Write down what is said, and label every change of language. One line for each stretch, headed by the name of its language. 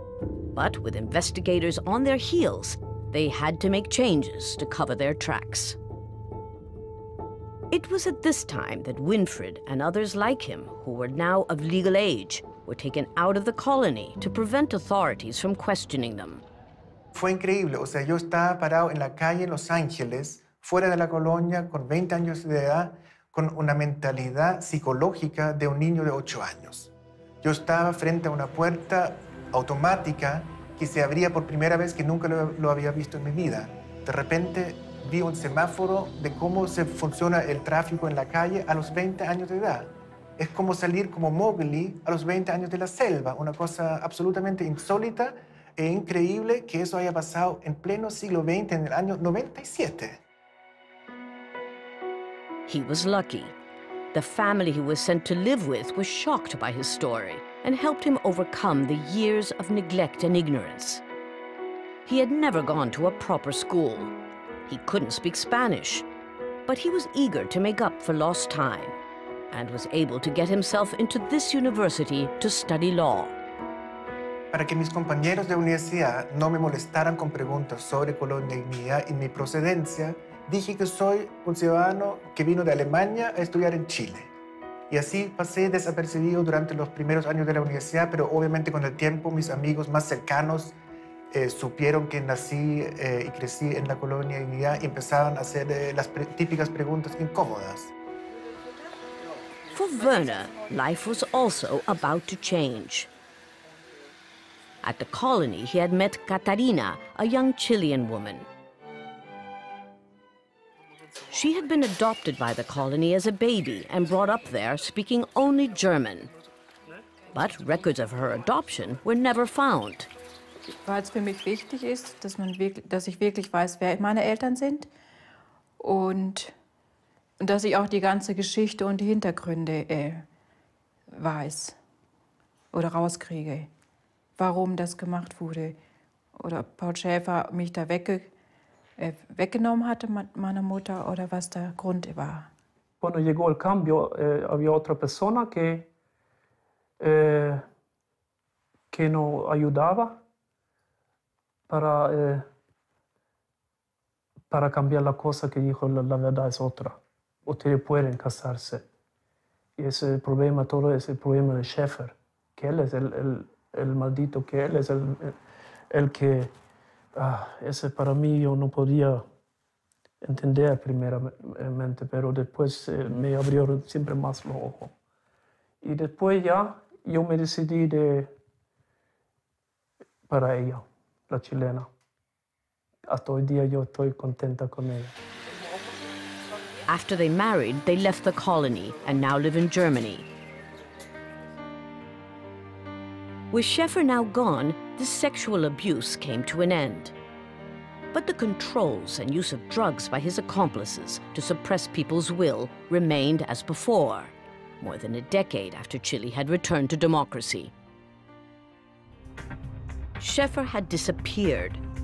English: But with investigators on their heels, they had to make changes to cover their tracks. It was at this time that Winfred and others like him, who were now of legal age, were taken out of the colony to prevent authorities from questioning them.
Spanish: Fue increíble. O sea, yo estaba parado en la calle en Los Ángeles, fuera de la colonia, con 20 años de edad, con una mentalidad psicológica de un niño de 8 años. Yo estaba frente a una puerta automática que se abría por primera vez que nunca lo había visto en mi vida. De repente vi un semáforo de cómo se funciona el tráfico en la calle a los 20 años de edad. Es como salir como Mowgli a los 20 años de la selva, una cosa absolutamente insólita e increíble que eso haya pasado en pleno siglo XX, en el año 97.
English: He was lucky. The family he was sent to live with was shocked by his story and helped him overcome the years of neglect and ignorance. He had never gone to a proper school. He couldn't speak Spanish, but he was eager to make up for lost time and was able to get himself into this university to study law.
Spanish: Para que mis compañeros de universidad no me molestaran con preguntas sobre Colonia Dignidad y mi procedencia, dije que soy un ciudadano que vino de Alemania a estudiar en Chile. Y así pasé desapercibido durante los primeros años de la universidad, pero obviamente con el tiempo mis amigos más cercanos supieron que nací y crecí en la Colonia Dignidad y empezaban a hacer las típicas preguntas incómodas.
English: For Werner, life was also about to change. At the colony, he had met Catarina, a young Chilean woman. She had been adopted by the colony as a baby and brought up there speaking only German. But records of her adoption were never found.
German: Weil es für mich wichtig ist, dass ich wirklich weiß, wer meine Eltern sind. Und dass ich auch die ganze Geschichte und die Hintergründe weiß oder rauskriege, warum das gemacht wurde. Oder ob Paul Schaefer mich da weggenommen hatte, meiner Mutter, oder was der Grund war.
Spanish: Cuando llegó el cambio, había otra persona que no ayudaba para cambiar la cosa que dijo, la verdad es otra. Ustedes pueden casarse. Y ese problema, todo ese problema de Schaefer, que él es el maldito, que él es el que... ese para mí yo no podía entender primeramente, pero después me abrió siempre más los ojos. Y después ya yo me decidí de... para ella, la chilena. Hasta hoy día yo estoy contenta con ella.
English: After they married, they left the colony and now live in Germany. With Schaefer now gone, the sexual abuse came to an end. But the controls and use of drugs by his accomplices to suppress people's will remained as before, more than a decade after Chile had returned to democracy. Schaefer had disappeared.